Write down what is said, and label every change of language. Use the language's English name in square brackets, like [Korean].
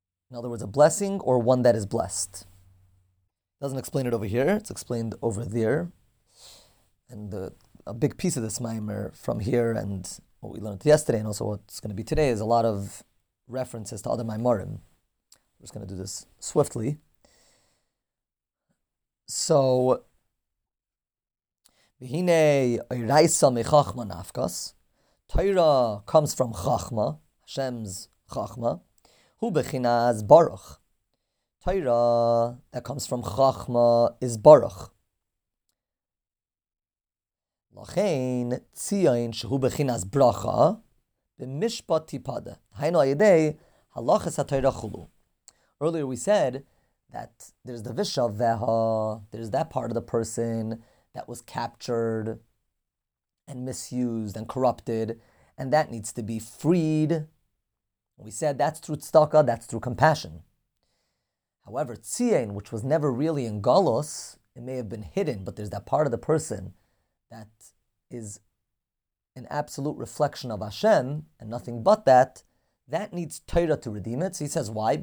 [English] In other words, a blessing or one that is blessed. It doesn't explain it over here, it's explained over there. And a big piece of this maimer from here and what we learned yesterday and also what's going to be today is a lot of references to other maimarim. We're just going to do this swiftly. [Hebrew] So, והנה אורייתא מחכמה נפקת, תורה [English] comes from [Hebrew] חכמה, Hashem's חכמה, הוא בחינת ברוך. [English] תורה that comes from חכמה is ברוך. [Hebrew] לכן ציון שהוא בחינת ברכה, במשפט תפדה. היינו על ידי הלכות התורה כולו. [English] Earlier we said that there's the vishavaha, there's that part of the person that was captured and misused and corrupted, and that needs to be freed. We said that's through tzedakah, that's through compassion. However, tzion, which was never really in galus, it may have been hidden, but there's that part of the person that is an absolute reflection of Hashem and nothing but that, that needs Torah to redeem it. So he says, why?